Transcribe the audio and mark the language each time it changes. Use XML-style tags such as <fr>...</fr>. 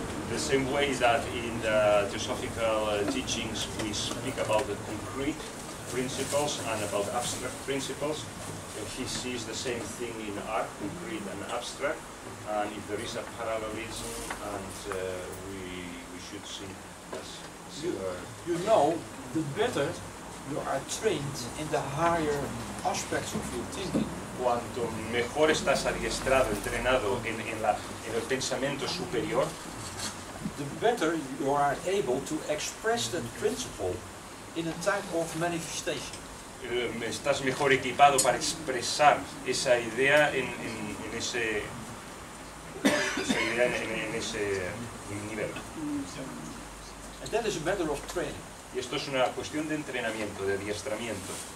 <en>The same way that in the theosophical teachings we speak about the concrete principles and about abstract principles, he sees the same thing in art, concrete and abstract. and if there is a parallelism, and we should see as you know, the better you are trained in the higher aspects of your thinking.</en> <es>Cuanto mejor estás adiestrado, entrenado en el pensamiento superior,</es> <en>the better you are able to express that principle in a type of manifestation.</en> <es>Estás mejor equipado para expresar esa idea en ese, esa idea en ese nivel.</es> <en>And that is a matter of training.</en> <es>Y esto es una cuestión de entrenamiento, de adiestramiento.</es>